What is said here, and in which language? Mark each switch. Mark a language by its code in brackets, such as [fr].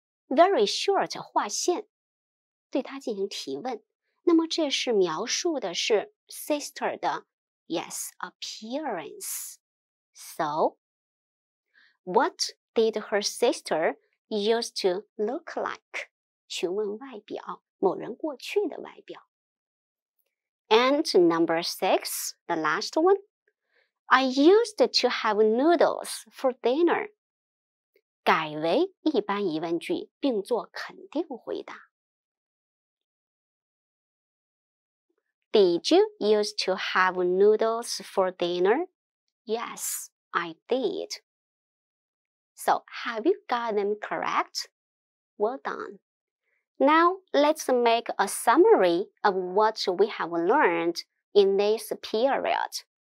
[en] Very short, [zh] 划线。对她进行提问。那么这是描述的是 sister 的 [en] yes, appearance. So, what did her sister used to look like? [zh] 询问外表，某人过去的外表。 [en] And number 6, the last one. I used to have noodles for dinner. [zh] 改为一般疑问句并做肯定回答。 [en] Did you used to have noodles for dinner? Yes, I did. So, have you got them correct? Well done. Now, let's make a summary of what we have learned in this period.